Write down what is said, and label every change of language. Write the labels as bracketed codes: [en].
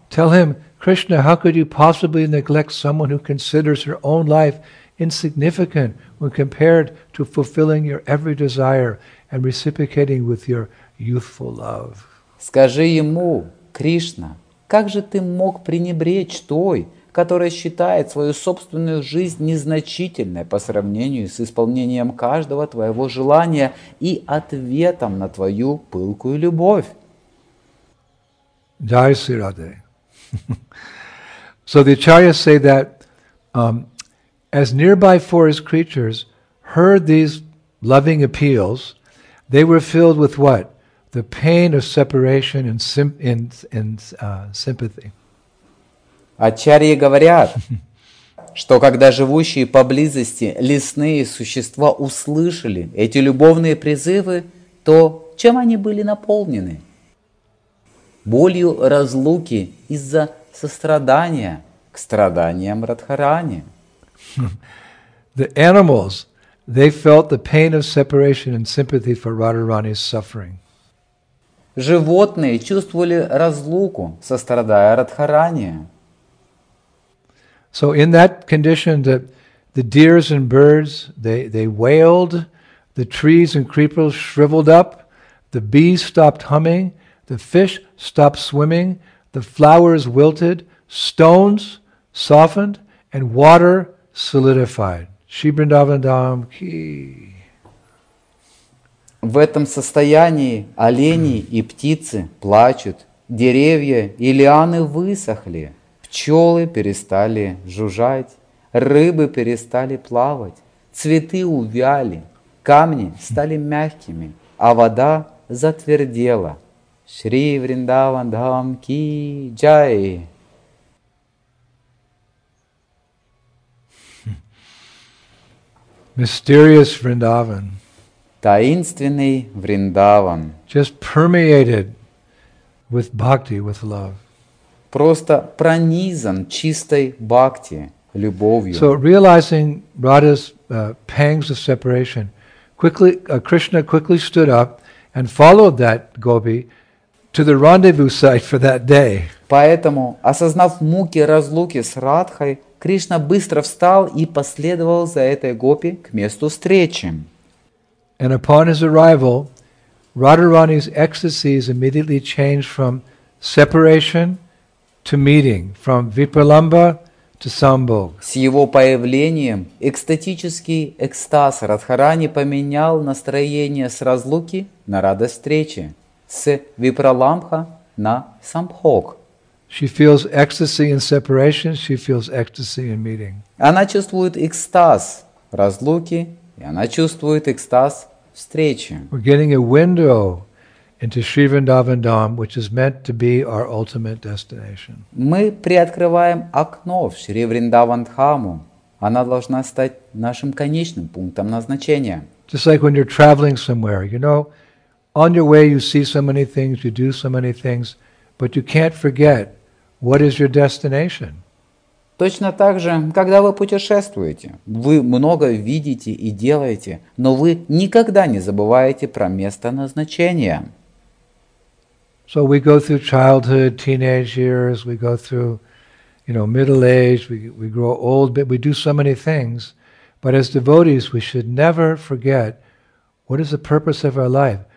[en] Tell him, Krishna, how could you possibly neglect someone who considers her own life insignificant when compared to fulfilling your every desire and reciprocating with your youthful love? [ru] Скажи ему, Кришна, как же ты мог пренебречь той, которая считает свою собственную жизнь незначительной по сравнению с исполнением каждого твоего желания и ответом на твою пылкую любовь? [hi] Jai Sri Radhe. [en] So the Acharyas say that as nearby forest creatures heard these loving appeals, they were filled with what? The pain of separation and sympathy. [ru] Ачарьи говорят, что когда живущие поблизости лесные существа услышали эти любовные призывы, то чем они были наполнены? Болью разлуки из-за сострадания к страданиям Радхарани. [en] The animals, they felt the pain of separation and sympathy for Radharani's suffering. [ru] Животные чувствовали разлуку, сострадая Радхарани. [en] So in that condition, the deers and birds, they wailed, the trees and creepers shriveled up, the bees stopped humming, the fish stopped swimming, the flowers wilted, stones softened, and water solidified. [hi] Shri Vrindavan Dham Ki. [ru] В этом состоянии олени и птицы плачут, деревья и лианы высохли, пчелы перестали жужжать, рыбы перестали плавать, цветы увяли, камни стали мягкими, а вода затвердела. [hi] Шри Вриндаван Дхам Ки Джай. [en] Mysterious Vrindavan. [ru] Таинственный Вриндаван. [en] Just permeated with bhakti, with love. [ru] Просто пронизан чистой бхакти, любовью. [en] So realizing Radha's pangs of separation, quickly Krishna quickly stood up and followed that gopi to the rendezvous site for that day. [ru] Поэтому, осознав муки разлуки с Радхой, Кришна быстро встал и последовал за этой гопи к месту встречи. [en] And upon his arrival, Radharani's ecstasies immediately changed from separation to meeting, from Vipralamba to Sambhog. [ru] С его появлением экстатический экстаз Радхарани поменял настроение с разлуки на радость встречи, с Випраламбха на Самбхог. [en] She feels ecstasy in separation, she feels ecstasy in meeting. [ru] Она чувствует экстаз разлуки, и она чувствует экстаз встречи. [en] We're getting a window into Sri Vrindavan Dham, which is meant to be our ultimate destination. [ru] Мы приоткрываем окно в Шри Вриндаван Дхаму. Она должна стать нашим конечным пунктом назначения. [en] Just like when you're traveling somewhere, you know, on your way you see so many things, you do so many things, but you can't forget what is your destination. [ru] Точно так же, когда вы путешествуете, вы много видите и делаете, но вы никогда не забываете про место назначения. [en] So we go through childhood, teenage years, we go through, you know, middle age, we grow old, but we do so many things. But as devotees, we should never forget what is the purpose of our life.